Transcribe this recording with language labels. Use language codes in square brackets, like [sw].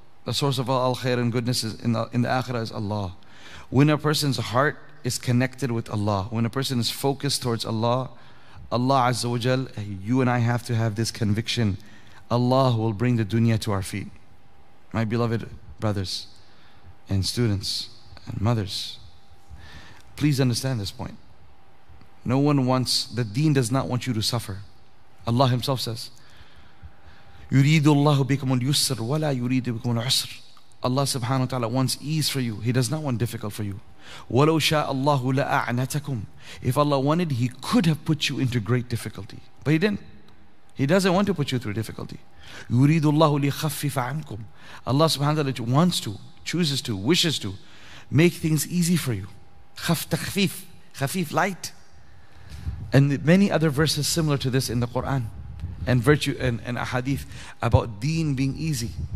[en] The source of all khair and goodness is in the akhirah is Allah. When a person's heart is connected with Allah, when a person is focused towards Allah, Allah Azza wa Jal, you and I have to have this conviction. Allah will bring the dunya to our feet. My beloved brothers and students and mothers, please understand this point. No one wants, the deen does not want you to suffer. Allah Himself says, [ar] يُرِيدُ اللَّهُ بِكُمُ الْيُسْرِ وَلَا يُرِيدُ بِكُمُ الْعُسْرِ. [en] Allah subhanahu wa ta'ala wants ease for you. He does not want difficult for you. [ar] وَلَوْ شَاءَ اللَّهُ لَأَعْنَتَكُمْ. [en] If Allah wanted, He could have put you into great difficulty. But He didn't. He doesn't want to put you through difficulty. [ar] يُرِيدُ اللَّهُ لِخَفِّفَ عَنْكُمْ [en] Allah subhanahu wa ta'ala wants to, chooses to, wishes to make things easy for you. [ar] خَفْ تَخْفِيف خَفِيف [en] light. And many other verses similar to this in the Quran and virtue and ahadith about deen being easy.